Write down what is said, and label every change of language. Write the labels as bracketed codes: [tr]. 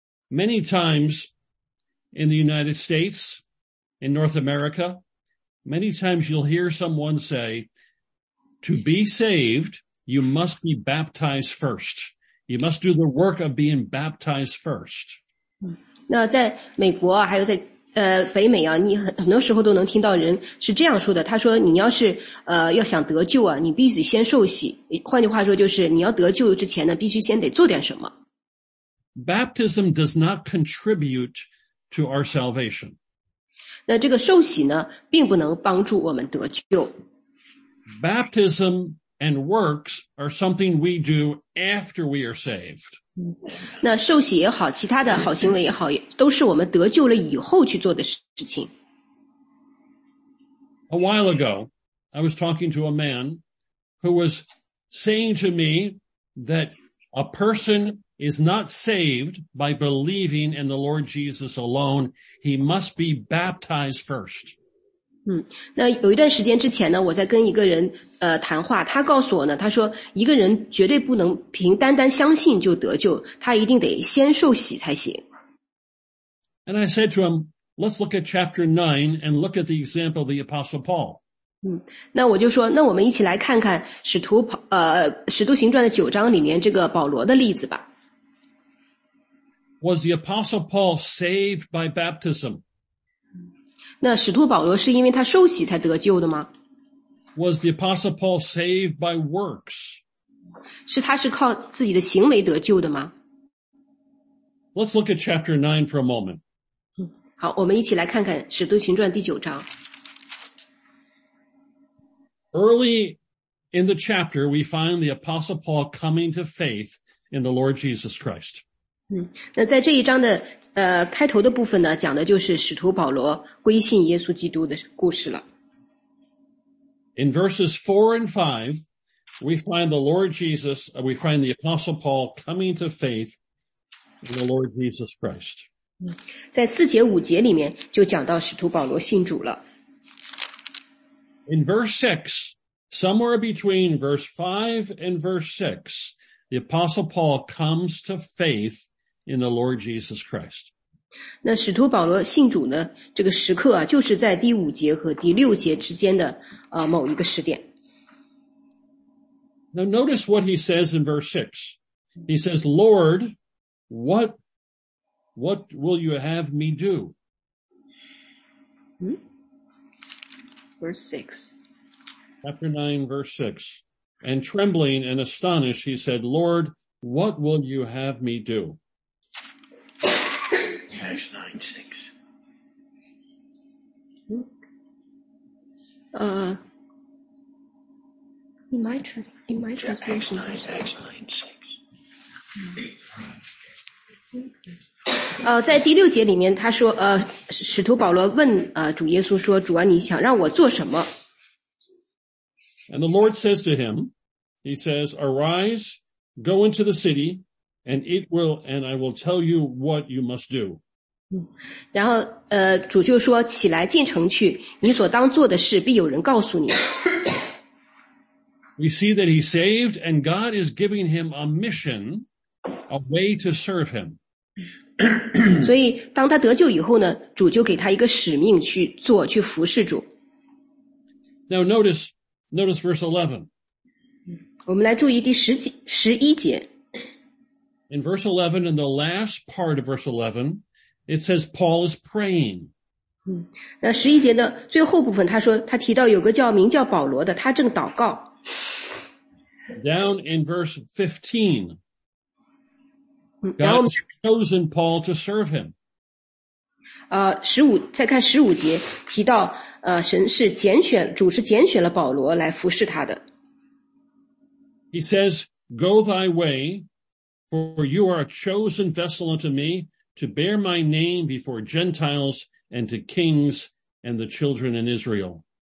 [en] Many times in the United States, in North America, many times you'll hear someone say, to be saved, you must be baptized first. You must do the work of being baptized first. [zh] 那在美国还有在北美啊，你很多时候都能听到人是这样说的，他说你要是要想得救啊，你必须先受洗。换句话说就是你要得救之前呢，必须先得做点什么。 [en] Baptism does not contribute to our salvation. [zh] 那这个受洗呢，并不能帮助我们得救。 [en] Baptism and works are something we do after we are saved. [zh] 那受洗也好，其他的好行为也好，都是我们得救了以后去做的事情。 [en] A while ago, I was talking to a man who was saying to me that a person is not saved by believing in the Lord Jesus alone. He must be baptized first. [zh] 那有一段时间之前呢，我在跟一个人谈话，他告诉我呢，他说一个人绝对不能凭单单相信就得救，他一定得先受洗才行。 [en] And I said to him, let's look at chapter 9 and look at the example of the Apostle Paul. [zh] 那我就说，那我们一起来看看使徒行传的九章里面这个保罗的例子吧。 [en] Was the Apostle Paul saved by baptism? [zh] 那使徒保罗是因为他受洗才得救的吗？ [en] Was the Apostle Paul saved by works? [zh] 是他是靠自己的行为得救的吗？ [en] Let's look at chapter 9 for a moment. [zh] 好，我们一起来看看使徒行传第九章。 [en] Early in the chapter, we find the Apostle Paul coming to faith in the Lord Jesus Christ. [zh] 那在这一章的开头的部分呢，讲的就是使徒保罗归信耶稣基督的故事了。 [en] In verses 4 and 5, we find the Lord Jesus, we find the Apostle Paul coming to faith in the Lord Jesus Christ. [zh] 在四节五节里面就讲到使徒保罗信主了。 [en] In verse 6, somewhere between verse 5 and verse 6,The Apostle Paul comes to faith in the Lord Jesus Christ. [zh] 那使徒保罗信主呢，这个时刻啊，就是在第五节和第六节之间的某一个时点。 [en] Now notice what he says in verse 6. He says, Lord, what will you have me do? Verse 6. Chapter 9, verse 6. And trembling and astonished, he said, Lord, what will you have me do? Acts 9, 6. In my translation. Acts 9, 6. [zh] 在第六节里面他说使徒保罗问主耶稣说，主啊，你想让我做什么？ [en] And the Lord says to him,He says, arise, go into the city, and I will tell you what you must do. [zh] 然后主就说，起来进城去，你所当做的事必有人告诉你。 [en] We see that he's saved and God is giving him a mission, a way to serve him. [zh] 所以当他得救以后呢，主就给他一个使命去做，去服侍主。 [en] Now notice verse 11. [zh] 我们来注意第十节，十一节。 [en] In verse 11, in the last part of verse 11, it says Paul is praying. [zh] 那十一节的最后部分，他说他提到有个叫名叫保罗的，他正祷告。 [en] Down in verse 15,God has chosen Paul to serve him. [zh] 再看十五节提到神是拣选，主是拣选了保罗来服侍他的。 [en] He says, go thy way, for you are a chosen vessel unto me to bear my name before Gentiles and to kings and the children in Israel.